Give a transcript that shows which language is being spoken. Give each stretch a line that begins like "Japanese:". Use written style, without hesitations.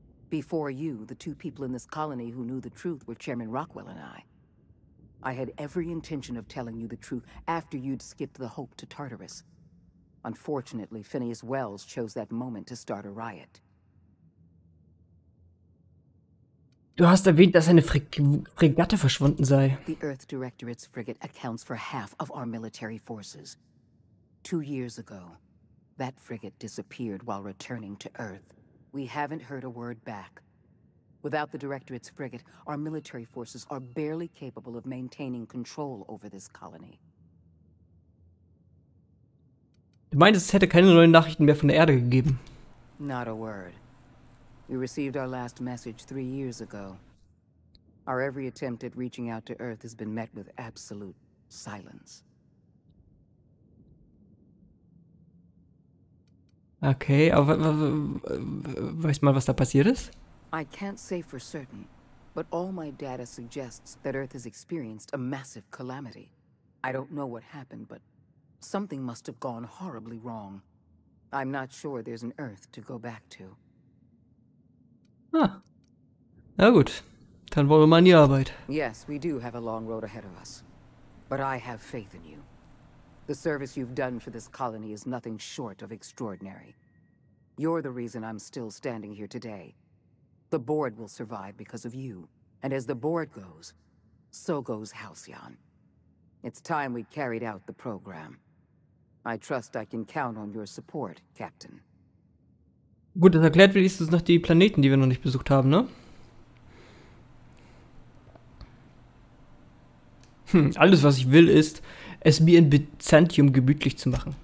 English: Before you, the two people in this colony who knew the truth were Chairman Rockwell and I. I had every intention of telling you the truth after you'd skipped the Hope to Tartarus. Unfortunately, Phineas Wells chose that moment to start a riot.
German: Du hast erwähnt, dass eine Fregatte verschwunden sei.
English: The Earth Directorate's frigate accounts for half of our military forces. 2 years ago, that frigate disappeared while returning to Earth. We haven't heard a word back. Without the Directorate's frigate, our military forces are barely capable of maintaining control over this colony.
German: Du meintest, es hätte keine neuen Nachrichten mehr von der Erde gegeben.
English: Not a word. We received our last message 3 years ago. Our every attempt at reaching out to Earth has been met with absolute silence.
German: Okay, aber weißt du mal, was da passiert ist?
English: I can't say for certain, but all my data suggests that Earth has experienced a massive calamity. I don't know what happened, but something must have gone horribly wrong. I'm not sure there's an Earth to go back to.
German: Ah, na gut, dann wollen wir mal in die Arbeit.
English: Yes, we do have a long road ahead of us, but I have faith in you. The service you've done for this colony is nothing short of extraordinary. You're the reason I'm still standing here today. The board will survive because of you. And as the board goes, so goes Halcyon. It's time we carried out the program. I trust I can count on your support, Captain.
German: Gut, das erklärt wenigstens noch die Planeten, die wir noch nicht besucht haben, ne? Alles, was ich will, ist, es mir in Byzantium gemütlich zu machen.